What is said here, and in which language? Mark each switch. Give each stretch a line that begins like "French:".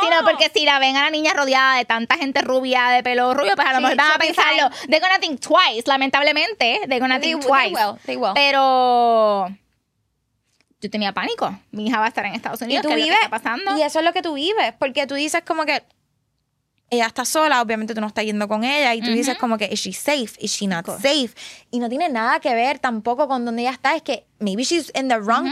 Spanish: Sino porque si la ven a la niña rodeada de tanta gente rubia, de pelo rubio, pues a lo mejor van a pensarlo.
English: They're gonna think twice,
Spanish: lamentablemente.
English: They're gonna think twice. They will.
Spanish: Pero... yo tenía pánico. Mi hija va a estar en Estados Unidos. Y tú vives. ¿Qué está pasando? Y eso es lo que tú vives. Porque tú dices como que... ella está sola, obviamente tú no estás yendo con ella y tú uh-huh. dices como que,
English: is she safe? Is she not safe?
Spanish: Y no tiene nada que ver tampoco con donde ella está, es que
English: maybe she's in the wrong
Spanish: uh-huh.